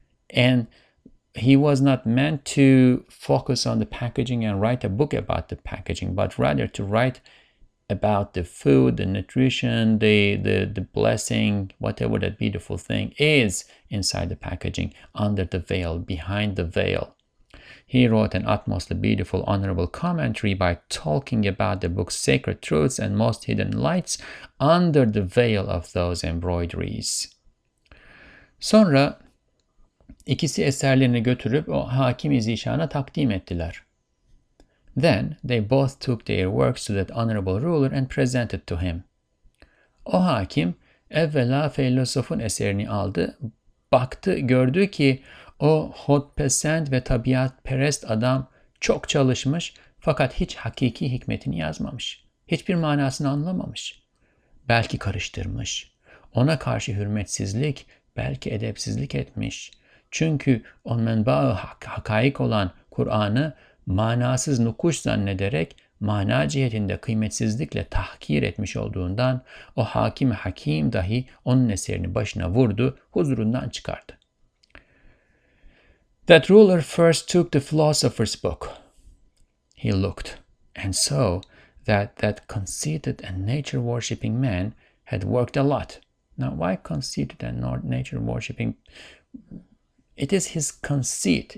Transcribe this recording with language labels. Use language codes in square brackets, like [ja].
[en] And he was not meant to focus on the packaging and write a book about the packaging, but rather to write about the food, the nutrition, the blessing, whatever that beautiful thing is inside the packaging, under the veil, behind the veil. He wrote an utmostly beautiful, honorable commentary by talking about the book's sacred truths and most hidden lights under the veil of those embroideries. [tr] Sonra ikisi eserlerini götürüp o hakim izişana takdim ettiler. [en] Then they both took their works to that honorable ruler and presented to him. [tr] O hakim evvela filozofun eserini aldı, baktı, gördü ki o hodpesent ve tabiatperest adam çok çalışmış fakat hiç hakiki hikmetini yazmamış. Hiçbir manasını anlamamış. Belki karıştırmış. Ona karşı hürmetsizlik, belki edepsizlik etmiş. Çünkü o menba-ı hakaik olan Kur'an'ı manasız nukuş zannederek mana cihetinde kıymetsizlikle tahkir etmiş olduğundan o hakim hakim dahi onun eserini başına vurdu, huzurundan çıkardı. [en] That ruler first took the philosopher's book. He looked and saw that conceited and nature-worshipping man had worked a lot. Now, why conceited and not nature-worshipping? It is his conceit.